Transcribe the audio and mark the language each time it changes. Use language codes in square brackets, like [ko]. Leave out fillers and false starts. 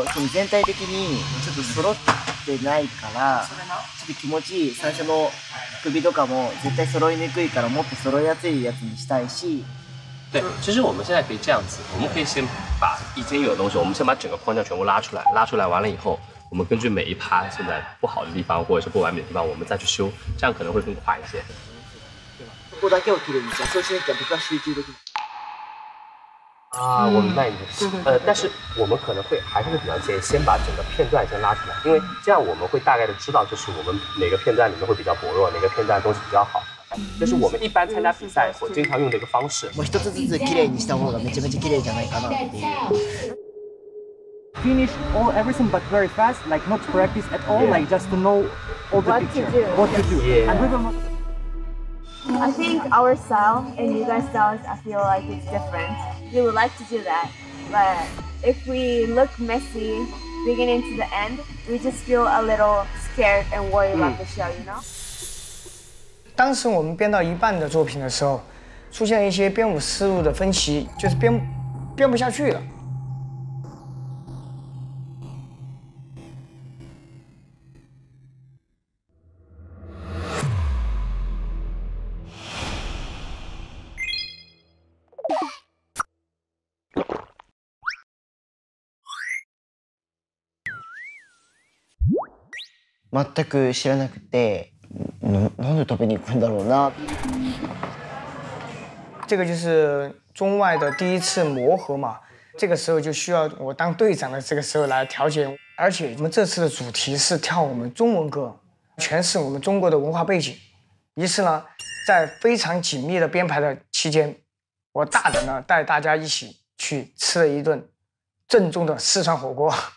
[ja] 全体的にちょっと揃ってないから、ちょっと気持ちいい最初の首とかも絶対揃いにくいから、もっと揃いやすいやつにしたいし。 [zh] 对，其实我们现在可以这样子，我们可以先把已经有的东西，我们先把整个框架全部拉出来，拉出来完了以后，我们根据每一趴现在不好的地方或者是不完美的地方，我们再去修，这样可能会更快一些。 [ja] ここだけを切るんじゃ、そうしなきゃ僕は集中できない。 [zh] 啊，我明白你的意思。但是我们可能会还是会比较建议先把整个片段先拉出来，因为这样我们会大概的知道，就是我们哪个片段里面会比较薄弱，哪个片段东西比较好。这是我们一般参加比赛或经常用的一个方式。 [ja] もう一つずつ綺麗にした方がめちゃめちゃ綺麗じゃないかなっていう。 [en] Finish all everything but very fast, like not practice at all, like just to know all the picture, what to do. I think our style and you guys' styles, I feel like it's different. We would like to do that, but if we look messy beginning to the end, we just feel a little scared and worried about the show, you know? [zh] 当时我们编到一半的作品的时候，出现一些编舞思路的分歧，就是编不下去了。 [ja] 全く知らなくて、なんで食べに行くんだろうな。 [zh] 这个就是中外的第一次磨合嘛，这个时候就需要我当队长的这个时候来调节。而且我们这次的主题是跳我们中文歌，全是我们中国的文化背景。于是呢，在非常紧密的编排的期间，我大胆的带大家一起去吃了一顿正宗的四川火锅。